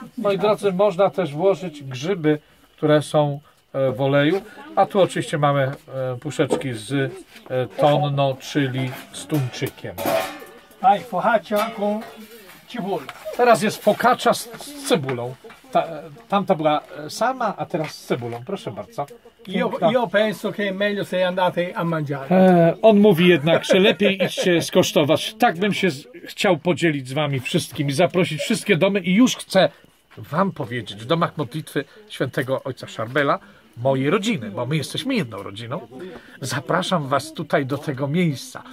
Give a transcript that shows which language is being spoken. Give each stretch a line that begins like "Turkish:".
Polish: Moi drodzy, można też włożyć grzyby, które są w oleju, a tu oczywiście mamy puszeczki z tonno, czyli z tuńczykiem.
Italian: Vai, focaccia con cipolla.
Polish: Teraz jest focaccia z cebulą. Tamta była sama, a teraz z cebulą. Proszę bardzo.
Italian: Io penso che è meglio se andate a mangiare.
Polish: On mówi jednak, że lepiej idźcie skosztować. Tak bym się chciał podzielić z wami wszystkim i zaprosić wszystkie domy. I już chcę wam powiedzieć, w domach modlitwy świętego ojca Charbela, mojej rodziny, bo my jesteśmy jedną rodziną, zapraszam was tutaj do tego miejsca.